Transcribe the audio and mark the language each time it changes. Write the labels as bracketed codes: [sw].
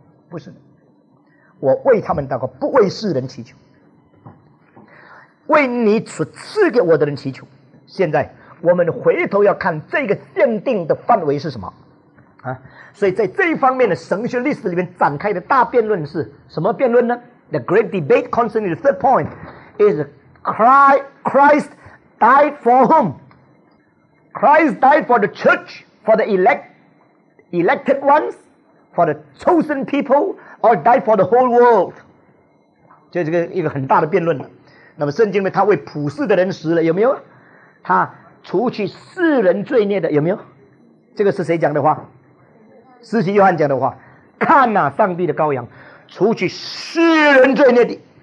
[zh] 不是，我为他们祷告，不为世人祈求，为你所赐给我的人祈求。现在我们回头要看这个限定的范围是什么啊？所以在这一方面的神学历史里面展开的大辩论是什么辩论呢？ [en] The great debate concerning the third point is Christ died for whom? Christ died for the church, for the elected ones, for the chosen people, or died for the whole world? [zh] 这是一个很大的辩论。那么圣经里面他为普世的人死了，有没有？他除去世人罪孽的，有没有？这个是谁讲的话？施洗约翰讲的话。看啊，上帝的羔羊，除去世人罪孽的。